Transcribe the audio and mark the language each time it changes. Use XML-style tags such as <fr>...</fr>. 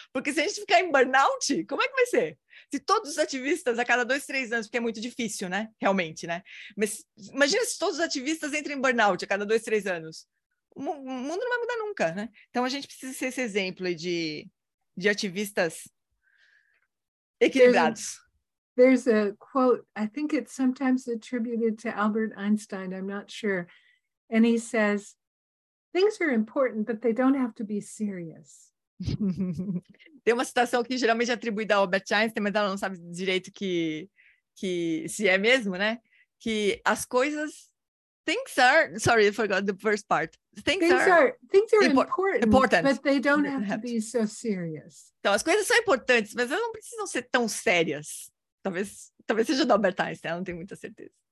<pt>Porque se a gente ficar em burnout, como é que vai ser? Se todos os ativistas, a cada 2, 3 anos, porque é muito difícil, né? Realmente, né? Mas imagina se todos os ativistas entram em burnout a cada 2, 3 anos. O mundo não vai mudar nunca, né? Então a gente precisa ser esse exemplo de ativistas equilibrados.</pt> <en>There's a quote, I think it's sometimes attributed to Albert Einstein, I'm not sure. And he says, things are important, but they don't have to be serious.</en> <pt>Tem uma citação que geralmente é atribuída ao Albert Einstein, mas ela não sabe direito que se é mesmo, né? Que as coisas...</pt> <en>Things are... Sorry, I forgot the first part. Things are important, but they don't have to be so serious.</en> <pt>Então, as coisas são importantes, mas elas não precisam ser tão sérias. Talvez seja do Albert Einstein, eu não tenho muita certeza.</pt>